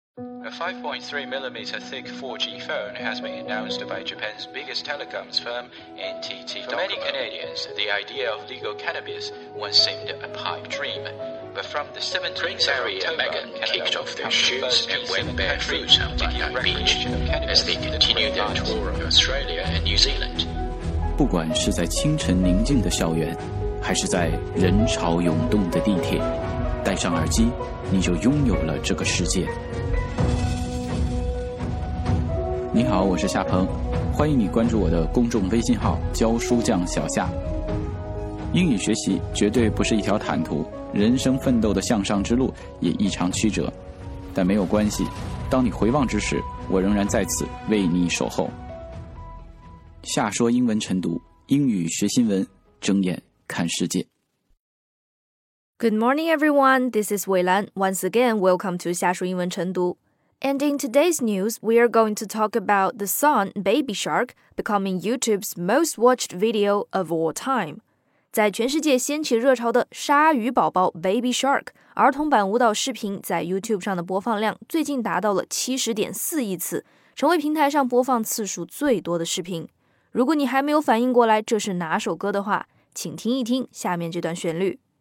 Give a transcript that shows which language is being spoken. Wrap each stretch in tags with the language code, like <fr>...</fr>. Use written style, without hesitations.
<en>A 5.3mm thick 4G phone has been announced by Japan's biggest telecoms firm, NTT Docomo. For many Canadians, the idea of legal cannabis once seemed a pipe dream. But from the 17th of October, Canada kicked off their shoes and went barefoot on Bondi Beach as they continued their tour of Australia and New Zealand.</en> <zh>不管是在清晨宁静的校园，还是在人潮涌动的地铁，戴上耳机，你就拥有了这个世界。你好，我是夏鹏，欢迎你关注我的公众微信号“教书匠小夏”。英语学习绝对不是一条坦途，人生奋斗的向上之路也异常曲折，但没有关系，当你回望之时，我仍然在此为你守候。夏说英文晨读，英语学新闻，睁眼看世界。</zh> <en>Good morning, everyone. This is Wei Lan. Once again, welcome to 夏说英文晨读。 And in today's news, we are going to talk about the song Baby Shark becoming YouTube's most watched video of all time.</en> <zh>在全世界掀起热潮的鲨鱼宝宝 Baby Shark 儿童版舞蹈视频在 YouTube 上的播放量最近达到了 70.4 亿次，成为平台上播放次数最多的视频。如果你还没有反应过来这是哪首歌的话，请听一听下面这段旋律。</zh>